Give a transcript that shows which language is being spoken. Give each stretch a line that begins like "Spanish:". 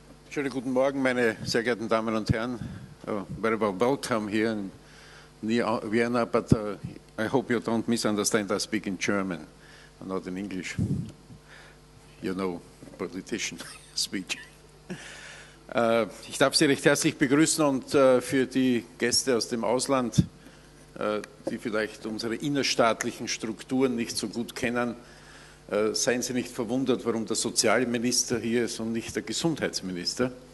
German: Schönen guten Morgen, meine sehr geehrten Damen und Herren.
English: Very well welcome here in Vienna, but I hope you don't misunderstand, I speak in German, not in English. You know, politician speech.
German: Ich darf Sie recht herzlich begrüßen und für die Gäste aus dem Ausland, die vielleicht unsere innerstaatlichen Strukturen nicht so gut kennen, seien Sie nicht verwundert, warum der Sozialminister hier ist und nicht der Gesundheitsminister.